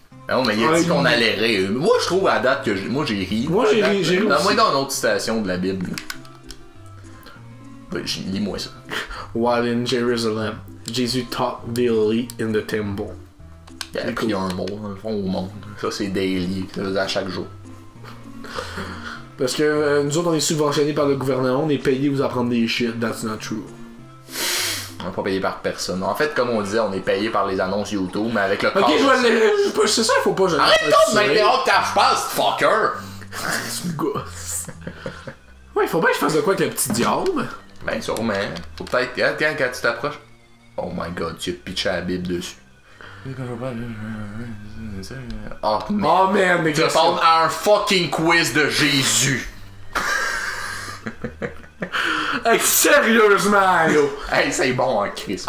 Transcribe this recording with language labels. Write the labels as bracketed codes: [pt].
[fr] Non, mais il a dit qu'on allait rire. Moi, je trouve à date que. Moi, j'ai ri. Moi, j'ai ri. J'ai ri. Dans, moi, dans une autre citation de la Bible. Lis-moi ça. [en] While in Jerusalem, Jésus taught daily in the temple. [fr] Il a écrit un mot, dans le fond, au monde. Ça, c'est daily. Ça veut dire à chaque jour. Parce que nous autres, on est subventionnés par le gouvernement. On est payés pour apprendre des shit. [en] That's not true. [fr] On n'est pas payé par personne. En fait, comme on disait, on est payé par les annonces YouTube, mais avec le corps. Ok, je vais aller. C'est ça, il faut pas. Je... Arrête donc de m'interrompre quand je passe, fucker. Tu me gosses. Ouais, il faut bien que je fasse de quoi avec la petite diable. Ben sûrement. Faut peut-être. Tiens, quand tu t'approches. [en] Oh my god, [fr] tu as pitché la Bible dessus. [en] Oh man, oh, man [fr] mais tu parles à un fucking quiz de Jésus. Hey, sérieusement, yo! Hey, c'est bon en Christ.